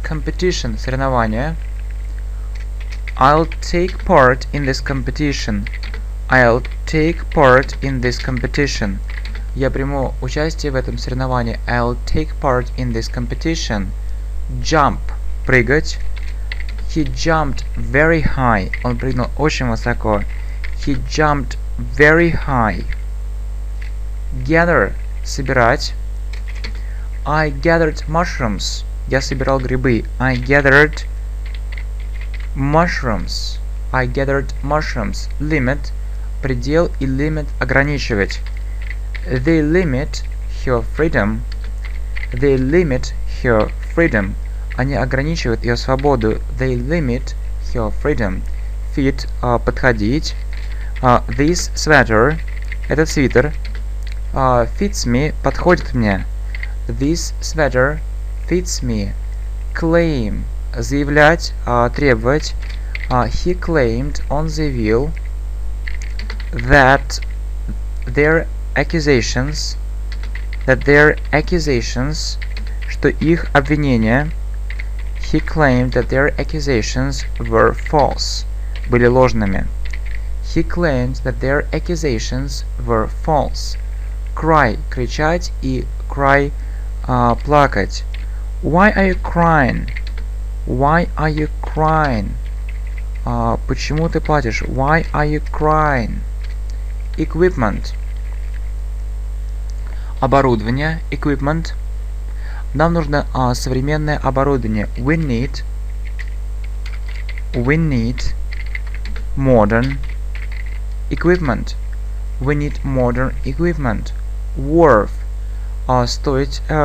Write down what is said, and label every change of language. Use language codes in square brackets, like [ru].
[en] Competition, соревнование. I'll take part in this competition. I'll take part in this competition. [ru] Я приму участие в этом соревновании. [en] I'll take part in this competition. Jump, прыгать. He jumped very high. [ru] Он прыгнул очень высоко. [en] He jumped very high. Gather, собирать. I gathered mushrooms. [ru] Я собирал грибы. [en] I gathered mushrooms. I gathered mushrooms. [ru] Limit, предел и limit ограничивать. [en] They limit her freedom. They limit her freedom. [ru] Они ограничивают ее свободу. [en] They limit her freedom. Fit, подходить. This sweater, [ru] этот свитер, [en] fits me, [ru] подходит мне. [en] This sweater fits me. [ru] Claim, заявлять, требовать. [en] He claimed, [ru] он заявил, [en] that their accusations, that their accusations, [ru] что их обвинения, [en] he claimed that their accusations were false, [ru] были ложными. [en] He claimed that their accusations were false. [ru] Cry, кричать, и cry, плакать. [en] Why are you crying? Why are you crying? [ru] Почему ты плачешь? [en] Why are you crying? Equipment. [ru] Оборудование, equipment. Нам нужно современное оборудование. [en] We need modern equipment. We need modern equipment. Worth, стоить.